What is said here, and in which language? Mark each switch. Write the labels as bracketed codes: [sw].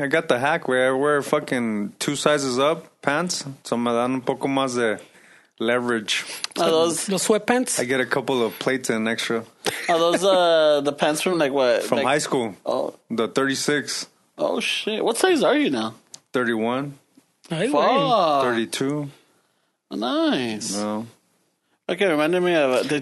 [en] I got the hack where I wear fucking two sizes up pants. [es] So me dan un poco más de leverage. [en] Are those the sweatpants? I get a couple of plates and extra. Are those the pants from like what? From like, high school. Oh. The 36. Oh, shit. What size are you now? 31. Fuck. 32. Nice. No. Okay, reminded me of...